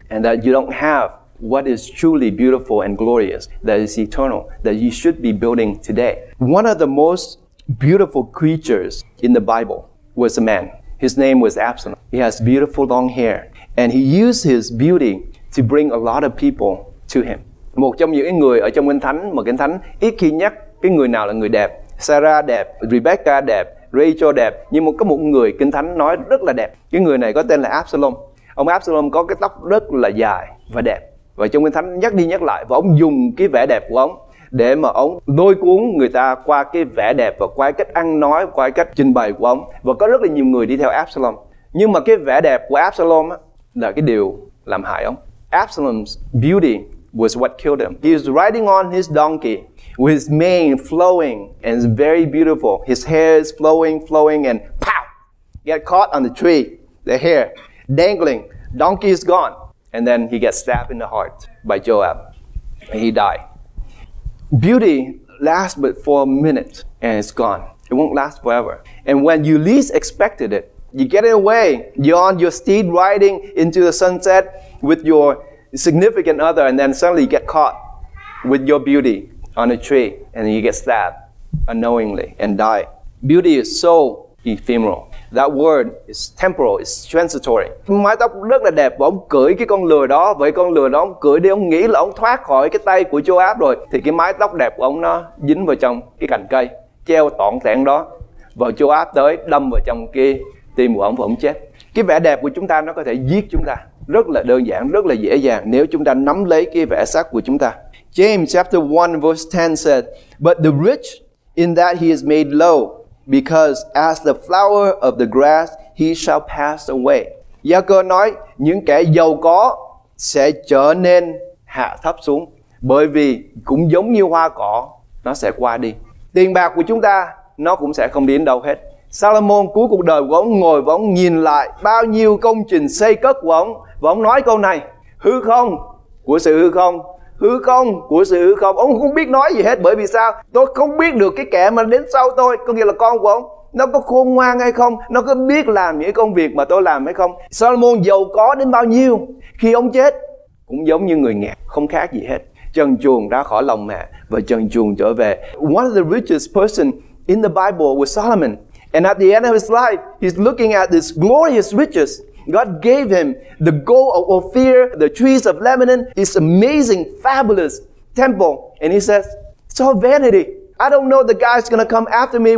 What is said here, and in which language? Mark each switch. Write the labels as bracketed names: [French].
[English] And that you don't have what is truly beautiful and glorious, that is eternal, that you should be building today. One of the most beautiful creatures in the Bible was a man. His name was Absalom. He has beautiful long hair. And he used his beauty to bring a lot of people to him. [Vietnamese] Một trong những người ở trong Kinh Thánh, mà Kinh Thánh ít khi nhắc cái người nào là người đẹp. Sarah đẹp, Rebecca đẹp, Rachel đẹp. Nhưng mà có một người Kinh Thánh nói rất là đẹp. Cái người này có tên là Absalom. Ông Absalom có cái tóc rất là dài và đẹp. Và trong Kinh Thánh nhắc đi nhắc lại, và ông dùng cái vẻ đẹp của ông để mà ông lôi cuốn người ta qua cái vẻ đẹp và qua cách ăn nói, qua cách trình bày của ông. Và có rất là nhiều người đi theo Absalom. Nhưng mà cái vẻ đẹp của Absalom á, là cái điều làm hại ông. [English] Absalom's beauty was what killed him. He was riding on his donkey with his mane flowing and it's very beautiful. His hair is flowing and pow! Get caught on the tree. The hair dangling. Donkey is gone. And then he gets stabbed in the heart by Joab. And he died. Beauty lasts but for a minute and it's gone. It won't last forever. And when you least expected it, you get it away. You're on your steed riding into the sunset with your significant other and then suddenly you get caught with your beauty on a tree and you get stabbed unknowingly and die. Beauty is so ephemeral. That word is temporal, it's transitory. [Vietnamese] Mái tóc rất là đẹp và ông cưỡi cái con lừa đó. Vậy con lừa đó ông cưỡi đi, ông nghĩ là ông thoát khỏi cái tay của Joab rồi. Thì cái mái tóc đẹp của ông nó dính vào trong cái cành cây, treo tỏn tẻn đó. Và Joab tới đâm vào trong cái tim của ông và ông chết. Cái vẻ đẹp của chúng ta nó có thể giết chúng ta. Rất là đơn giản, rất là dễ dàng nếu chúng ta nắm lấy cái vẻ xác của chúng ta. [English] James chapter 1 verse 10 said, but the rich in that he is made low, because as the flower of the grass he shall pass away. [Vietnamese] Gia-cơ nói, những kẻ giàu có sẽ trở nên hạ thấp xuống, bởi vì cũng giống như hoa cỏ, nó sẽ qua đi. Tiền bạc của chúng ta, nó cũng sẽ không đến đâu hết. Salomon cuối cuộc đời của ông ngồi và ông nhìn lại bao nhiêu công trình xây cất của ông, và ông nói câu này, hư không của sự hư không, hư không của sự hư không. Ông không biết nói gì hết. Bởi vì sao? Tôi không biết được cái kẻ mà đến sau tôi, có nghĩa là con của ông, nó có khôn ngoan hay không, nó có biết làm những công việc mà tôi làm hay không. Solomon giàu có đến bao nhiêu, khi ông chết cũng giống như người nghèo, không khác gì hết. Trần truồng ra khỏi lòng mẹ và trần truồng trở về. [English] One of the richest person in the Bible was Solomon. And at the end of his life, he's looking at this glorious riches. God gave him the gold of Ophir, the trees of Lebanon, this amazing, fabulous temple. And he says, it's all vanity. I don't know the guy's going to come after me.